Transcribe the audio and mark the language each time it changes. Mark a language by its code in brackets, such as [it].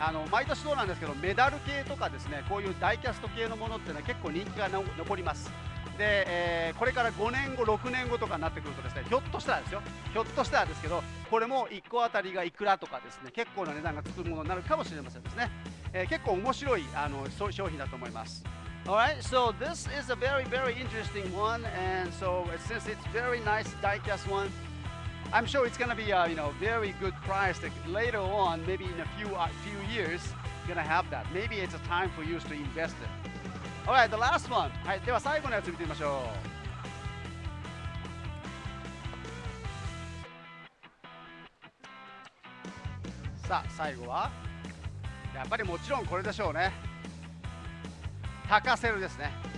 [ja] 毎年そうなんですけど、メダル系とかですね、こういうダイキャスト系のものってね、結構人気が残ります。で、これから5年後6年後とかになってくるとですね、ひょっとしたらですよ、ひょっとしたらですけど、これも1個あたりがいくらとかですね、結構な値段がつくものになるかもしれませんですね。結構面白い商品だと思います。 [en] Alright, so this is a very very interesting one, and so since it's very nice diecast one, I'm sure it's gonna be a very good price that later on, maybe in a few years, you're gonna have that. Maybe it's a time for you to invest itAlright, the last one. [ja] はい、では最後のやつ見てみましょう。さあ、最後はやっぱりもちろんこれでしょうね。タカセルですね。